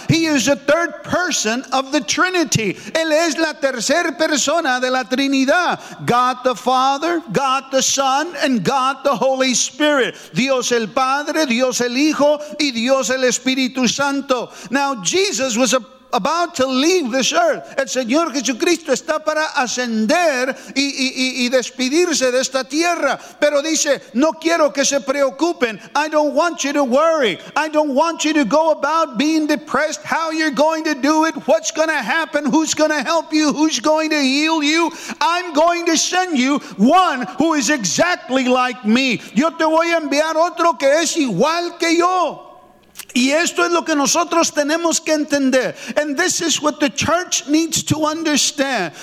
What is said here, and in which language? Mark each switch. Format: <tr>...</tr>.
<en>He is the third person of the Trinity.</en> <es>Él es la tercera persona de la Trinidad.</es> <en>God the Father, God the Son, and God the Holy Spirit.</en> <es>Dios el Padre, Dios el Hijo, y Dios el Espíritu Santo.</es> <en>Now, Jesus was a about to leave this earth.</en> <es>El Señor Jesucristo está para ascender y despedirse de esta tierra. Pero dice, no quiero que se preocupen.</es> <en>I don't want you to worry. I don't want you to go about being depressed. How you're going to do it? What's going to happen? Who's going to help you? Who's going to heal you? I'm going to send you one who is exactly like me.</en> <es>Yo te voy a enviar otro que es igual que yo. Y esto es lo que nosotros tenemos que entender.</es> <en>And this is what the church needs to understand.</en>